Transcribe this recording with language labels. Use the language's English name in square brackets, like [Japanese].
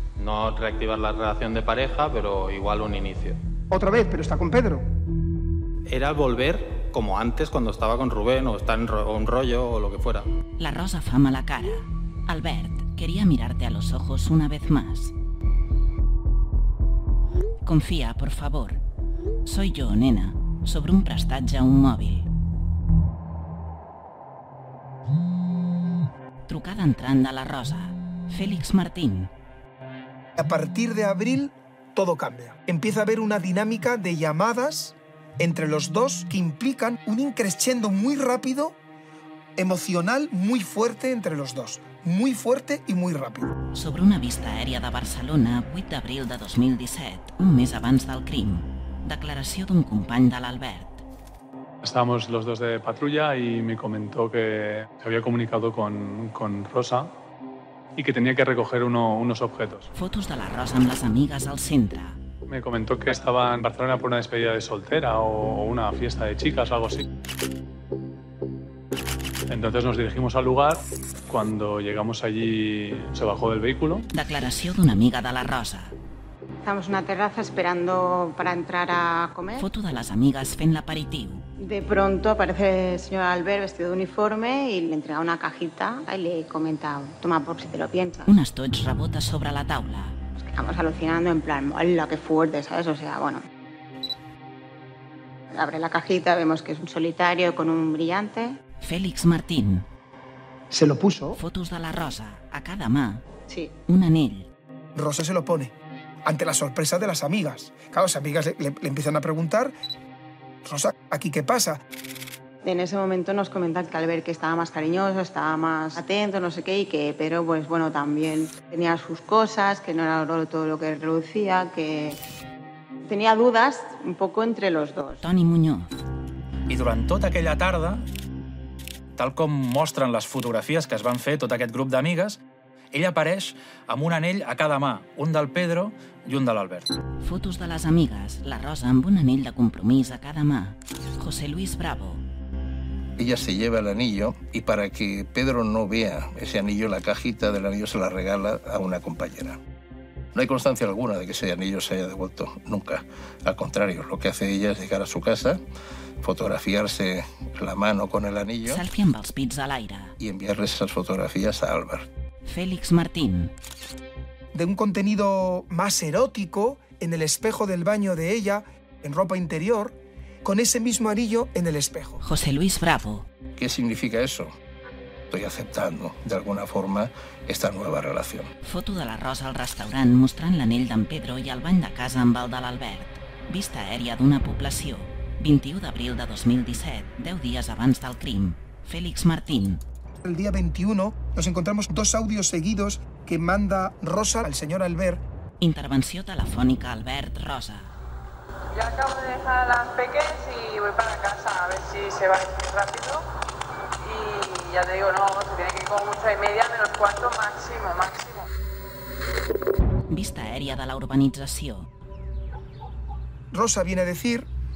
[Spanish] No reactivar la relación de pareja, pero igual un inicio. Otra vez, pero está con Pedro. Era volver como antes, cuando estaba con Rubén, o estar en un rollo, o lo que fuera. [Catalan] La Rosa fa mala cara. [Spanish] Albert, quería mirarte a los ojos una vez más. Confía, por favor. Soy yo, nena, [Catalan] sobre un prestatge a un mòbil. Trucada entrant de la Rosa. Félix Martín. [Spanish] A partir de abril, todo cambia. Empieza a haber una dinámica de llamadas entre los dos que implican un increscendo muy rápido, emocional, muy fuerte entre los dos. Muy fuerte y muy rápido. [Catalan] Sobre una vista aèria de Barcelona, 8 d'abril de 2017, un mes abans del crim. Declaració d'un company de l'Albert. [Spanish] Estábamos los dos de patrulla y me comentó que se había comunicado con Rosa y que tenía que recoger unos objetos. [Catalan] Fotos de la Rosa amb les amigues al centre. [Spanish] Me comentó que estaba en Barcelona por una despedida de soltera o una fiesta de chicas o algo así. Entonces nos dirigimos al lugar. Cuando llegamos allí, se bajó del vehículo. [Catalan] Declaració d'una amiga de la Rosa. [Spanish] Estamos en una terraza esperando para entrar a comer. [Catalan] Foto [Spanish] de las amigas [Catalan] fent l'aperitiu. [Spanish] De pronto aparece el señor Albert vestido de uniforme y le entrega una cajita y le comenta, toma por si te lo piensas. [Catalan] Un estoig rebota sobre la taula. [Spanish] Estamos alucinando en plan, hola, qué fuerte, ¿sabes? O sea, bueno. Abre la cajita, vemos que es un solitario con un brillante. Félix Martín. Se lo puso. [Catalan] Fotos de la Rosa, a cada mà. [Spanish] Sí. [Catalan] Un anell. [Spanish] Rosa se lo pone. Ante la sorpresa de las amigas. Claro, las amigas le empiezan a preguntar, Rosa, ¿aquí qué pasa? En ese momento nos comentan que Albert que estaba más cariñoso, estaba más atento, no sé qué, y que Pedro, pues bueno, también tenía sus cosas, que no era todo lo que reducía, que tenía dudas un poco entre los dos. Toni Muñoz. [Catalan] I durant tota aquella tarda, tal com mostren les fotografies que es van fer tot aquest grup d'amigues, Ell apareix amb un anell a cada mà, un del Pedro i un de l'Albert. Fotos de les amigues, la Rosa amb un anell de compromís a cada mà. [Spanish] José Luis Bravo. Ella se lleva el anillo y para que Pedro no vea ese anillo, la cajita del anillo se la regala a una compañera. No hay constancia alguna de que ese anillo se haya devuelto, nunca. Al contrario, lo que hace ella es llegar a su casa, fotografiarse la mano con el anillo... [Catalan] Selfie amb els pits a l'aire. [Spanish] ...y enviarles esas fotografías a Albert. Félix Martín. De un contenido más erótico, en el espejo del baño de ella, en ropa interior, con ese mismo anillo en el espejo. José Luis Bravo. ¿Qué significa eso? Estoy aceptando, de alguna forma, esta nueva relación. [Catalan] Foto de la Rosa al restaurant mostrant l'anell d'en Pedro i el bany de casa amb el de l'Albert. Vista aèria d'una població. 21 d'abril de 2017, 10 dies abans del crim. Félix Martín. [Spanish] El día 21 nos encontramos dos audios seguidos que manda Rosa al señor Albert. [Catalan] Intervenció telefònica Albert-Rosa. [Spanish] Ya acabo de dejar a las peques y voy para casa a ver si se va a ir rápido. Y ya te digo, no, se tiene que ir como mucho de media, menos cuarto máximo, máximo. Vista aérea de la urbanización. Rosa viene a decir...